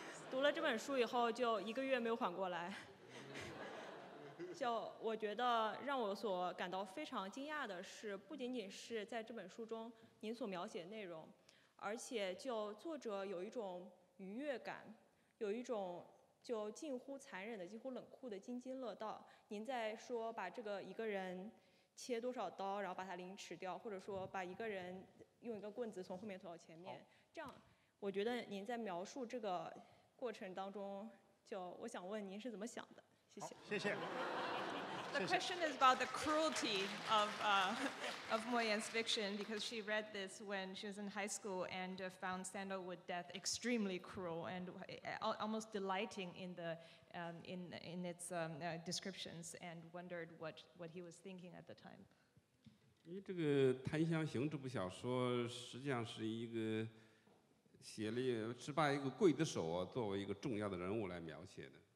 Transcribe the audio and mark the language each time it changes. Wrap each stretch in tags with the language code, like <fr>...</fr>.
<zh>读了这本书以后就一个月没有缓过来。就我觉得让我所感到非常惊讶的是，不仅仅是在这本书中您所描写的内容，而且就作者有一种愉悦感，有一种就近乎残忍的几乎冷酷的津津乐道。您在说把这个一个人切多少刀然后把他凌迟掉，或者说把一个人用一个棍子从后面推到前面，这样我觉得您在描述这个过程当中，就我想问您是怎么想的。谢谢。谢谢。</zh> <en>The question is about the cruelty of Mo Yan's fiction, because she read this when she was in high school and found sandalwood death extremely cruel and almost delighting in its descriptions, and wondered what he was thinking at the time.</en> <zh>因为这个《檀香刑》这部小说实际上是一个写了是把一个刽子手作为一个重要的人物来描写的。</zh>